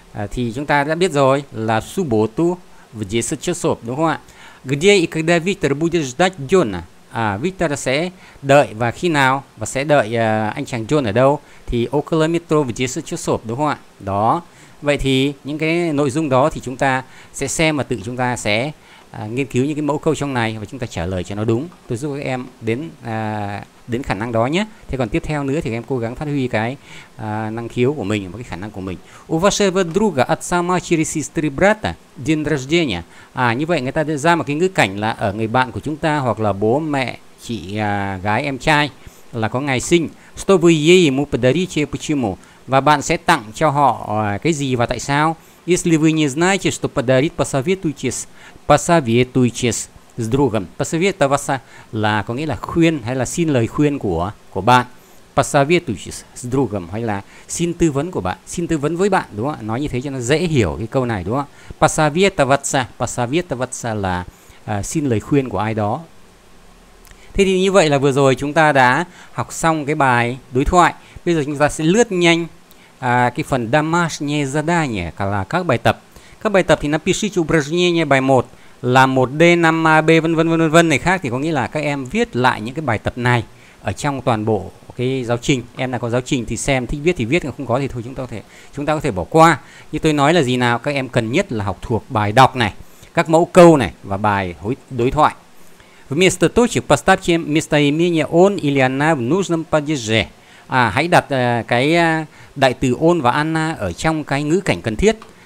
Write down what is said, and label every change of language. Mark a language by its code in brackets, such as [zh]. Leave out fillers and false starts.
[vi] Thì chúng ta đã biết rồi là [ru] subotu в 10 часов, [vi] đúng không ạ? [ru] Где и когда Виктор будет ждать Джона? [vi] Виктор sẽ đợi và khi nào? Và sẽ đợi anh chàng John ở đâu? Thì [ru] около метро в 10 часов, [vi] đúng không ạ? Đó. Vậy thì những cái nội dung đó thì chúng ta sẽ xem và tự chúng ta sẽ nghiên cứu những cái mẫu câu trong này và chúng ta trả lời cho nó đúng. Tôi giúp các em đến đến khả năng đó nhé. Thế còn tiếp theo nữa thì các em cố gắng phát huy cái năng khiếu của mình và cái khả năng của mình. [ru] У вашего друга от сама через сестры брата день рождения. [vi] Như vậy người ta ra một cái ngữ cảnh là ở người bạn của chúng ta hoặc là bố mẹ chị gái em trai là có ngày sinh. [ru] Что вы ей ему подарите, почему? [vi] Và bạn sẽ tặng cho họ cái gì và tại sao? [ru] Если вы не знаете, что подарить, посоветуйтесь с другом. [vi] Посоветоваться là có nghĩa là khuyên hay là xin lời khuyên của bạn. [ru] Посоветуйтесь с другом [vi] hay là xin tư vấn của bạn, xin tư vấn với bạn, đúng không? Nói như thế cho nó dễ hiểu cái câu này, đúng không? Посоветоваться là xin lời khuyên của ai đó. Thế thì như vậy là vừa rồi chúng ta đã học xong cái bài đối thoại. Bây giờ chúng ta sẽ lướt nhanh cái phần [ru] домашнее задание, [vi] là các bài tập. Các bài tập thì [ru] напишите упражнение, [vi] bài 1, là 1D, 5AB, v.v. này khác. Thì có nghĩa là các em viết lại những cái bài tập này ở trong toàn bộ cái giáo trình. Em nào có giáo trình thì xem, thích viết thì viết, không có thì thôi chúng ta có thể bỏ qua. Như tôi nói là gì nào, các em cần nhất là học thuộc bài đọc này, các mẫu câu này và bài đối thoại. [ru] Вместо точек поставьте местоимение он или она в нужном падеже. [vi] Hãy đặt cái đại từ он và она ở trong cái ngữ cảnh cần thiết.